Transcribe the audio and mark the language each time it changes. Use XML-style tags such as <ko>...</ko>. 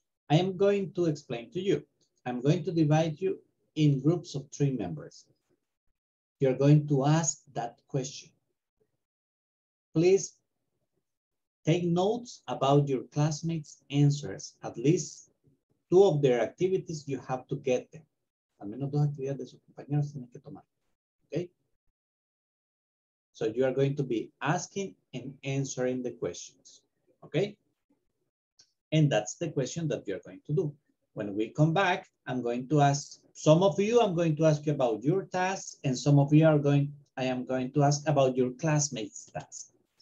<en>I am going to explain to you. I'm going to divide you in groups of three members. You're going to ask that question. Please take notes about your classmates' answers. At least two of their activities, you have to get them.</en> <es>Al menos dos actividades de sus compañeros tienen que tomar.</es> <en>Okay? So you are going to be asking and answering the questions. Okay? And that's the question that you are going to do. When we come back, I'm going to ask some of you, I'm going to ask you about your tasks, and some of you I am going to ask about your classmates' tasks.</en>